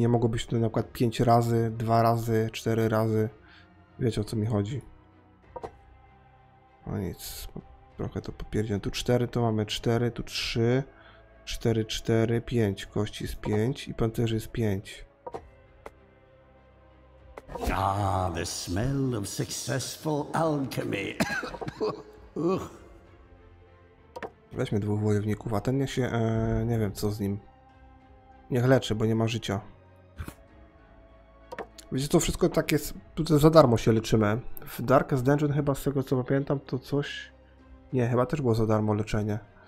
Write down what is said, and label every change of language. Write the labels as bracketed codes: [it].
[pl] Nie mogło być tutaj na przykład 5 razy, 2 razy, 4 razy. Wiecie, o co mi chodzi. No nic, trochę to popierdzię. Tu 4, to mamy 4, tu 3, 4, 4, 5. Kości jest 5 i pancerz jest 5. [en] Ah, the smell of successful alchemy. [pl] Weźmy dwóch wojowników, a ten niech się, nie wiem co z nim. Niech leczy, bo nie ma życia. Wiecie, to wszystko tak jest, tutaj za darmo się leczymy. W Darkest Dungeon chyba z tego co pamiętam to coś... Nie, chyba też było za darmo leczenie.